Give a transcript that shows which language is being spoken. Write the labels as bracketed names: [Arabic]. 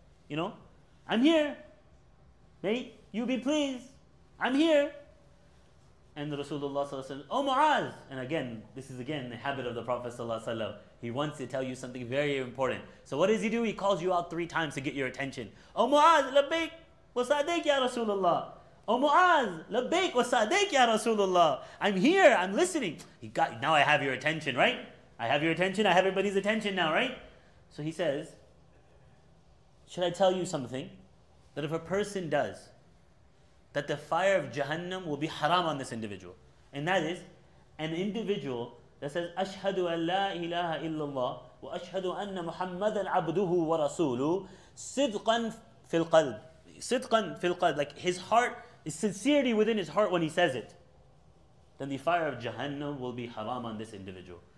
[English] You know, I'm here, may you be pleased, I'm here. And Rasulullah sallallahu alayhi wa sallam, oh Mu'adh, and again, this is again the habit of the Prophet sallallahu alayhi wa sallam, he wants to tell you something very important. So what does he do? He calls you out three times to get your attention. Oh Mu'adh, labbaik. [Arabic] وَسَعْدَيْكَ يَا رَسُولَ اللَّهِ O Mu'adh, لَبَّيْكَ وَسَعْدَيْكَ يَا رَسُولَ اللَّهِ [English] I'm here, I'm listening. Now I have your attention, right? I have your attention, I have everybody's attention now, right? So he says, should I tell you something? That if a person does, that the fire of Jahannam will be haram on this individual. And that is, an individual that says, [Arabic] أَشْهَدُ أَنْ لَا إِلَهَ إِلَّا اللَّهِ وَأَشْهَدُ أَنَّ مُحَمَّدًا عَبْدُهُ وَرَسُولُهُ صِدْقًا فِي الْقَلْبِ [English] Sidqan fil qalb, like his heart is sincerity within his heart when he says it, then the fire of Jahannam will be haram on this individual.